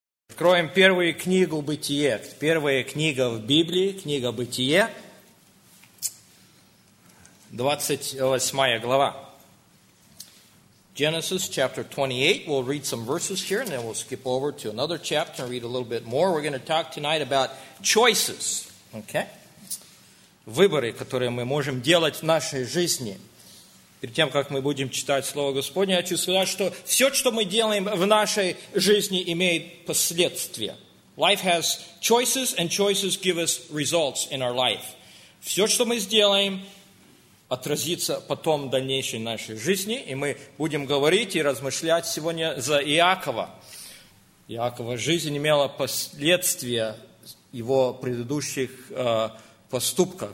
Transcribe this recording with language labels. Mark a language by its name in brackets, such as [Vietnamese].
[Russian] Откроем первую книгу Бытие. Первая книга в Библии, книга Бытие, 28 глава. [English] Genesis chapter 28. We'll read some verses here and then we'll skip over to another chapter and read a little bit more. We're going to talk tonight about choices. Okay? [Russian] Выборы, которые мы можем делать в нашей жизни. Перед тем, как мы будем читать Слово Господне, я хочу сказать, что все, что мы делаем в нашей жизни, имеет последствия. [English] Life has choices, and choices give us results in our life. [Russian] Все, что мы сделаем, отразится потом в дальнейшей нашей жизни, и мы будем говорить и размышлять сегодня за Иакова. Иакова жизнь имела последствия его предыдущих поступка.